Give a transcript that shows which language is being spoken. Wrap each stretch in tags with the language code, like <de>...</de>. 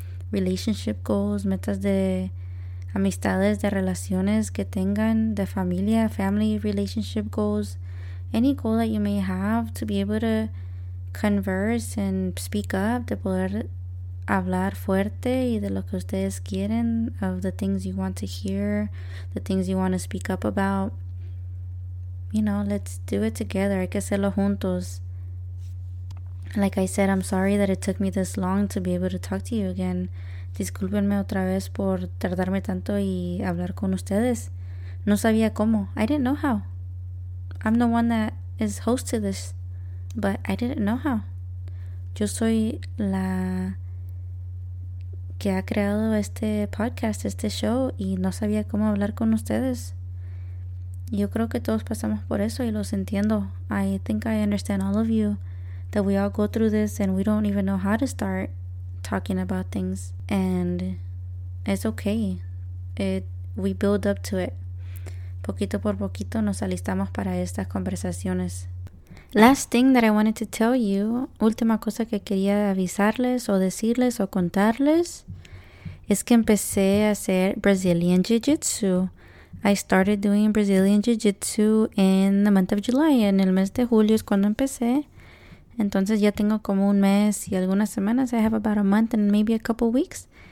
<en>relationship goals,</en> <es>metas de amistades, de relaciones que tengan, de familia,</es> <en>family, relationship goals, any goal that you may have to be able to converse and speak up,</en> <es>de poder hablar fuerte y de lo que ustedes quieren,</es> <en>of the things you want to hear, the things you want to speak up about. You know, let's do it together.</en> <es>Hay que hacerlo juntos.</es> <en>Like I said, I'm sorry that it took me this long to be able to talk to you again.</en> <es>Discúlpenme otra vez por tardarme tanto y hablar con ustedes. No sabía cómo.</es> <en>I didn't know how. I'm the one that is host to this, but I didn't know how.</en> <es>Yo soy la que ha creado este podcast, este show, y no sabía cómo hablar con ustedes. Yo creo que todos pasamos por eso y los entiendo.</es> <en>I think I understand all of you, that we all go through this and we don't even know how to start talking about things, and it's okay. We build up to it.</en> <es>Poquito por poquito nos alistamos para estas conversaciones.</es> <en>Last thing that I wanted to tell you,</en> <es>última cosa que quería avisarles o decirles o contarles, es que empecé a hacer Brazilian Jiu-Jitsu.</es> <en>I started doing Brazilian Jiu-Jitsu in the month of July.</en> <es>En el mes de julio es cuando empecé. Entonces ya tengo como un mes y algunas semanas.</es> <en>I have about a month and maybe a couple weeks.</en>